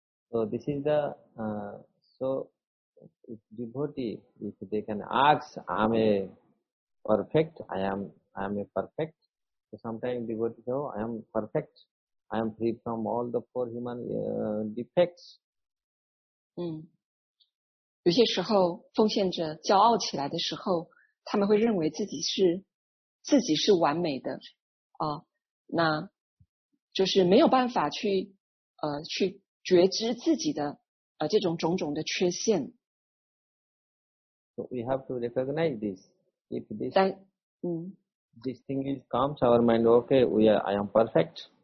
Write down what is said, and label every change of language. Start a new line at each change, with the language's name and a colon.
English: So this is the so if devotee if they can ask I am a perfect. So sometimes devotee say, oh, I am perfect. I am free from all the four human defects.
Chinese: 有些时候，奉献者骄傲起来的时候，他们会认为自己是完美的，那就是没有办法去觉知自己的这种种种的缺陷。
English: So we have to recognize this. If this thing is comes to our mind, okay, I am perfect.